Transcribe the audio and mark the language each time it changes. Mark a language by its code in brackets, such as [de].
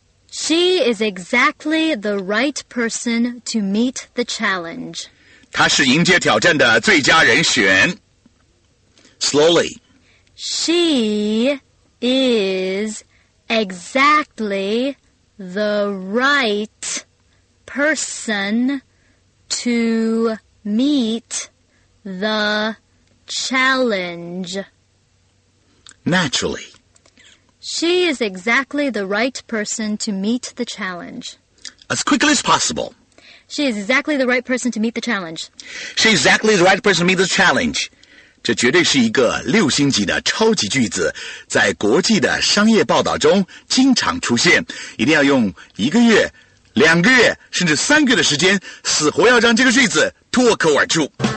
[en] She is exactly the right person to meet the challenge. [zh] 她是迎接挑战的最佳人选。 [en] Slowly. She is exactly the right person to meet the challenge. Naturally. She is exactly the right person to meet the challenge. As quickly as possible. She is exactly the right person to meet the challenge. She is exactly the right person to meet the challenge. [zh] 这绝对是一个六星级的超级句子，在国际的商业报道中经常出现。一定要用一个月、两个月甚至三个月的时间，死活要让这个句子脱口而出。